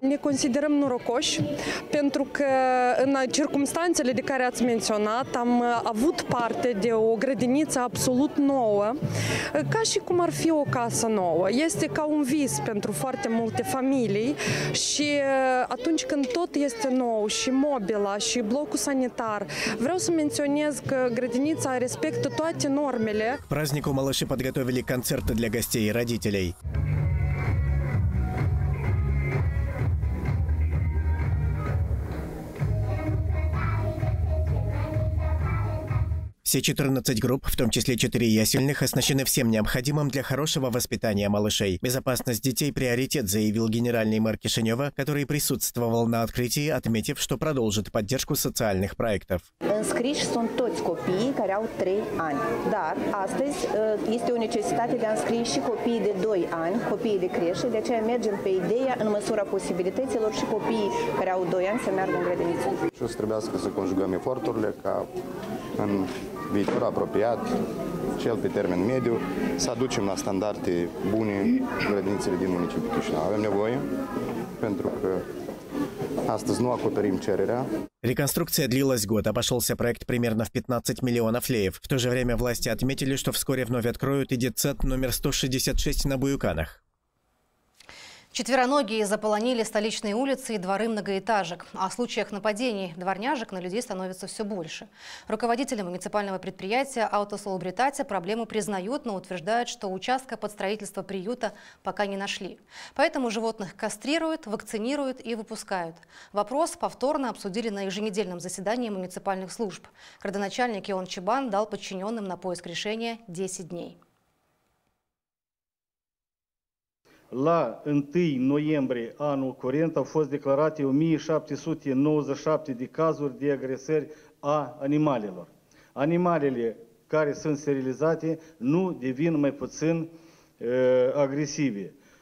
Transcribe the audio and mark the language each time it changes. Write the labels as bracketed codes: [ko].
[ro] Ne considerăm norocoși pentru că în circumstanțele de care ați menționat am avut parte de o grădiniță absolut nouă, ca și cum ar fi o casă nouă. Este ca un vis pentru foarte multe familii și atunci când tot este nou și mobila și blocul sanitar, vreau să menționez că grădinița respectă toate normele. [ru] Праздникul малышей подготовили концерты для гостей и родителей. Все 14 групп, в том числе 4 ясельных, оснащены всем необходимым для хорошего воспитания малышей. Безопасность детей – приоритет, заявил генеральный мэр Кишинева, который присутствовал на открытии, отметив, что продолжит поддержку социальных проектов. [ro] Înscriși sunt toți copiii care au 3 ani, dar astăzi este o necesitate de a înscri și copiii de 2 ani, copiii de creșe, de aceea mergem pe ideea în măsura posibilităților și copiii care au 2 ani să meargă în grădiniță. Și o să trebuiască să conjugăm eforturile ca în viitor apropiat, cel pe termen mediu, să aducem la standarde bune grădinițele din municipiul Chișinău. Avem nevoie pentru că astăzi nu acoperim cererea. [ru] Реконструкция длилась год, обошелся проект примерно в 15 миллионов леев. В то же время власти отметили, что вскоре вновь откроют и детсад номер 166 на Буюканах. Четвероногие заполонили столичные улицы и дворы многоэтажек. О случаях нападений дворняжек на людей становится все больше. Руководители муниципального предприятия «Аутосолубритатя» проблему признают, но утверждают, что участка под строительство приюта пока не нашли. Поэтому животных кастрируют, вакцинируют и выпускают. Вопрос повторно обсудили на еженедельном заседании муниципальных служб. Градоначальник Ион Чебан дал подчиненным на поиск решения 10 дней. [ro] La 1 noiembrie anul curent au fost declarate 1797 de cazuri de agresări a animalelor. Animalele care sunt sterilizate nu devin mai puțin agresive.